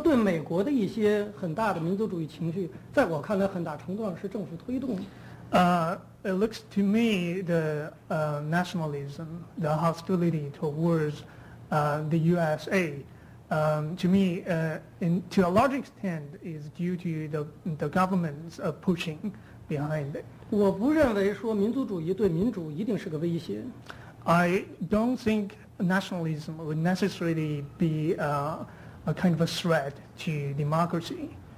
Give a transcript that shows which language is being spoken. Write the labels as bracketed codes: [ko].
[zh] 对美国的一些很大的民族主义情绪，在我看来，很大程度上是政府推动的。 [en] It looks to me the nationalism, the hostility towards the USA, to me, to a large extent, is due to the government's pushing behind it. [zh] 我不认为说民族主义对民主一定是个威胁。 [en] I don't think nationalism would necessarily be a kind of a threat to democracy.